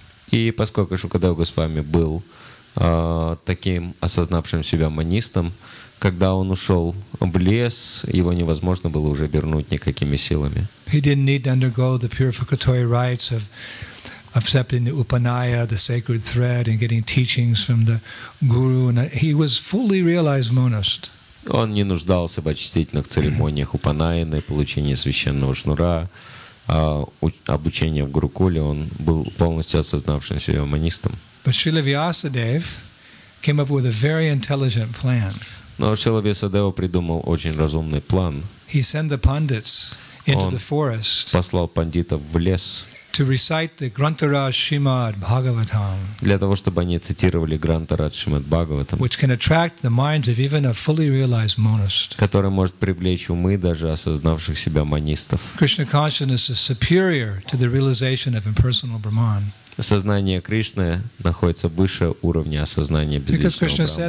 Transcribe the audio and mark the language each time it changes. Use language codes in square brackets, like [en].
[ru] И поскольку Шукадев Госвами был таким осознавшим себя монистом, когда он ушел в лес, его невозможно было уже вернуть никакими силами. [en] He didn't need to undergo the purificatory rites of accepting the Upanaya, the sacred thread, and getting teachings from the Guru. He was fully realized monist. [ru] Он не нуждался в очистительных церемониях Упанайаны, получении священного шнура, обучение в Гурукуле. Он был полностью осознавшим себя монистом. [en] But Srila Vyasadeva came up with a very intelligent plan. [ru] Но Шрила Вьясадева придумал очень разумный план. [en] He sent the pandits into the forest. [ru] Он послал пандитов в лес. [en] To recite the Grantara Shrimad Bhagavatam. [ru] Для того, чтобы они цитировали Грантара Шримад Бхагаватам. [en] Which can attract the minds of even a fully realized monist. [ru] Который может привлечь умы даже осознавших себя монистов. [en] Krishna consciousness is superior to the realization of impersonal Brahman. [ru] Сознание Кришны находится выше уровня осознания безличного